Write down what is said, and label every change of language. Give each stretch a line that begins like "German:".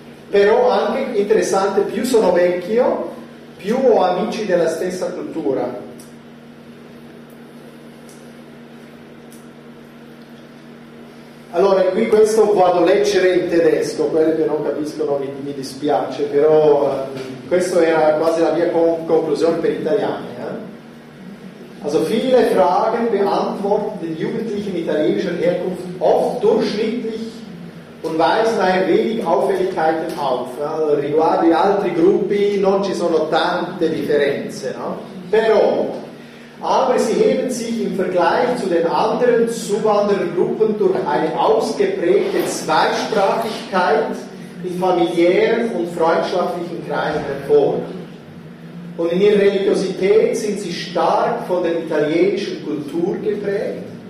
Italian: Però anche interessante, più sono vecchio, più ho amici della stessa cultura. Allora, qui questo vado a leggere in tedesco, quelli che non capiscono mi dispiace, però questa era quasi la mia conclusione per gli italiani.
German: Also viele Fragen beantworten den Jugendlichen italienischer Herkunft oft durchschnittlich und weisen ein wenig Auffälligkeiten auf.
Italian: Allora, riguardo gli altri gruppi non ci sono tante differenze, no? Però...
German: Aber sie heben sich im Vergleich zu den anderen Zuwanderergruppen durch eine ausgeprägte Zweisprachigkeit in familiären und freundschaftlichen Kreisen hervor. Und in ihrer Religiosität sind sie stark von der italienischen Kultur geprägt.